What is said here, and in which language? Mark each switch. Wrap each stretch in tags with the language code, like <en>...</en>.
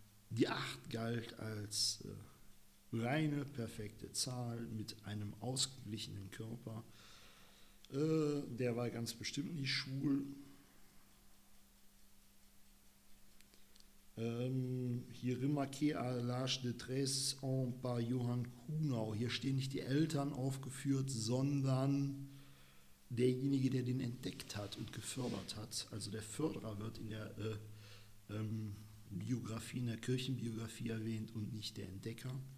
<de>Die 8 galt als reine, perfekte Zahl mit einem ausgeglichenen Körper. Der war ganz bestimmt nicht schwul.</de> <fr>Hier Remarqué à l'âge de 13 ans par Johann Kuhnau.</fr> <de>Hier stehen nicht die Eltern aufgeführt, sondern derjenige, der den entdeckt hat und gefördert hat. Also der Förderer wird in der Biografie, in der Kirchenbiografie erwähnt und nicht der Entdecker.</de>